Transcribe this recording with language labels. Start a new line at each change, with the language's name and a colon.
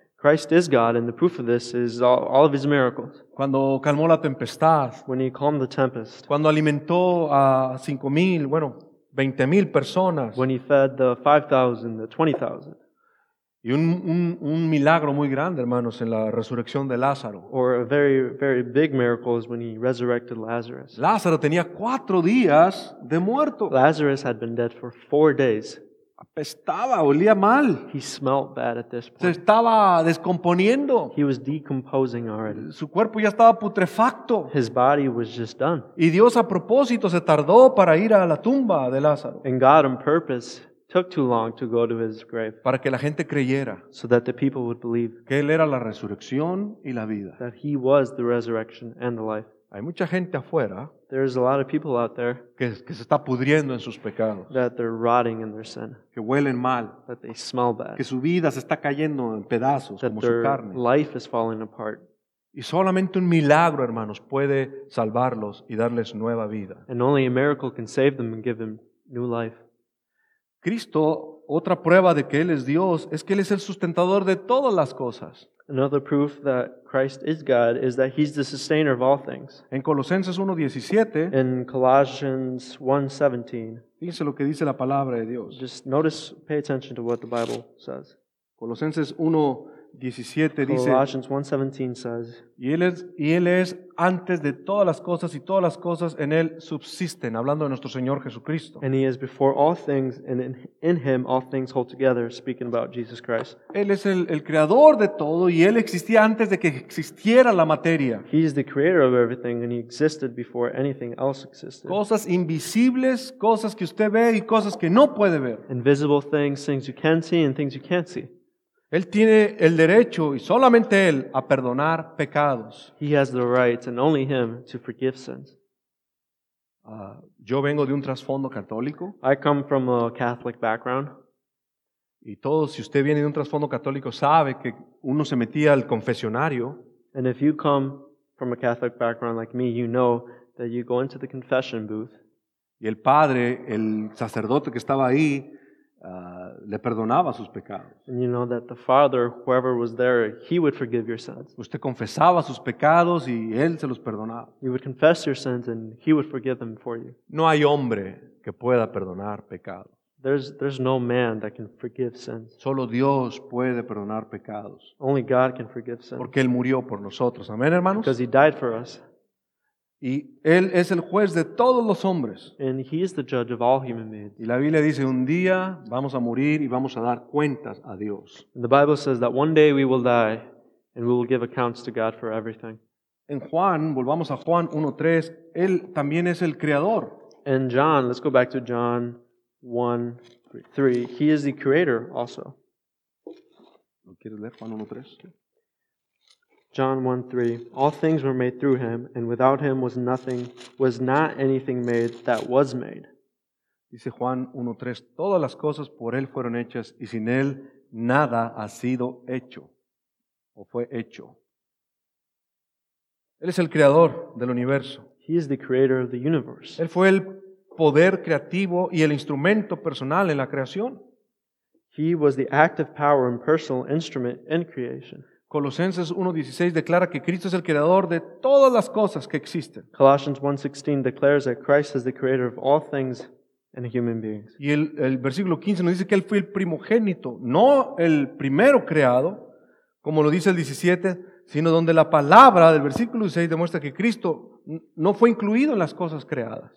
English: Christ is God and the proof of this is all of His miracles.
Spanish: Cuando calmó la tempestad.
English: When he calmed the tempest.
Spanish: Cuando alimentó a 5,000, bueno, 20,000 personas.
English: When he fed the 5,000, the 20,000.
Spanish: Y un milagro muy grande, hermanos, en la resurrección de Lázaro.
English: Or a very, very big miracle is when he resurrected Lazarus.
Spanish: Lázaro tenía 4 días de muerto.
English: Lazarus had been dead for 4 days.
Spanish: Apestaba, olía mal.
English: He smelled bad at this point.
Spanish: Se estaba descomponiendo.
English: He was decomposing already.
Spanish: Su cuerpo ya estaba putrefacto.
English: His body was just done.
Spanish: Y Dios a propósito se tardó para ir a la tumba de Lázaro.
English: And God on purpose took too long to go to his grave.
Spanish: Para que la gente creyera.
English: So that the people would believe.
Spanish: Que él era la resurrección y la vida.
English: That he was the resurrection and the life.
Spanish: Hay mucha gente afuera.
English: There's a lot of people out there
Spanish: que se está pudriendo en sus pecados.
English: That they're rotting in their sin.
Spanish: Que huelen mal.
English: That they smell bad.
Spanish: Que su vida se está cayendo en pedazos
English: that
Spanish: como
English: their
Spanish: su carne.
English: Life is falling apart.
Spanish: Y solamente un milagro, hermanos, puede salvarlos y darles nueva vida.
English: And only a miracle can save them and give them new life.
Spanish: Cristo, otra prueba de que Él es Dios, es que Él es el sustentador de todas las cosas.
English: Another proof that Christ is God is that He's the sustainer of all things.
Spanish: En Colosenses 1:17.
English: In Colossians 1:17.
Spanish: Fíjense lo que dice la palabra de Dios.
English: Just notice, pay attention to what the Bible says.
Spanish: Colosenses 1:17 dice.
English: Colossians 1:17 says.
Spanish: Y él es antes de todas las cosas y todas las cosas en él subsisten, hablando de nuestro Señor Jesucristo.
English: And He is before all things, and in Him all things hold together, speaking about Jesus Christ.
Spanish: Él es el creador de todo y él existía antes de que existiera la materia.
English: He is the creator of everything, and He existed before anything else existed.
Spanish: Cosas invisibles, cosas que usted ve y cosas que no puede ver.
English: Invisible things, things you can see and things you can't see.
Spanish: Él tiene el derecho y solamente Él a perdonar pecados.
English: He has the right and only Him to forgive sins.
Spanish: Yo vengo de un trasfondo católico.
English: I come from a Catholic background.
Spanish: Y todos, si usted viene de un trasfondo católico, sabe que uno se metía al confesionario.
English: And if you come from a Catholic background like me, you know that you go into the confession booth.
Spanish: Y el padre, el sacerdote que estaba ahí, le perdonaba sus pecados.
English: And you know that the father, whoever was there, he would forgive your sins.
Spanish: Usted confesaba sus pecados y él se los perdonaba.
English: You would confess your sins and he would forgive them for you.
Spanish: No hay hombre que pueda perdonar pecados.
English: There's no man that can forgive sins.
Spanish: Solo Dios puede perdonar pecados.
English: Only God can forgive sins.
Spanish: Porque él murió por nosotros. Amén, hermanos.
English: Because he died for us.
Spanish: Y él es el juez de todos los hombres.
English: And he is the judge of all human beings.
Spanish: Y la Biblia dice un día vamos a morir y vamos a dar cuentas a Dios.
English: And the Bible says that one day we will die and we will give accounts to God for everything.
Spanish: En Juan, volvamos a Juan 1:3, él también es el creador.
English: And John, let's go back to John 1:3. He is the creator also.
Spanish: ¿No quieres leer Juan 1:3?
English: John 1:3, all things were made through him, and without him was nothing, was not anything made that was made.
Spanish: Dice Juan 1:3, todas las cosas por él fueron hechas, y sin él nada ha sido hecho, o fue hecho. Él es el creador del universo.
English: He is the creator of the universe.
Spanish: Él fue el poder creativo y el instrumento personal en la creación.
English: He was the active power and personal instrument in creation.
Spanish: Colosenses 1:16 declara que Cristo es el creador de todas las cosas que existen.
English: Colossians 1:16 declares that Christ is the creator of all things and human beings.
Spanish: Y el versículo 15 nos dice que él fue el primogénito, no el primero creado, como lo dice el 17, sino donde la palabra del versículo 16 demuestra que Cristo no fue incluido en las cosas creadas.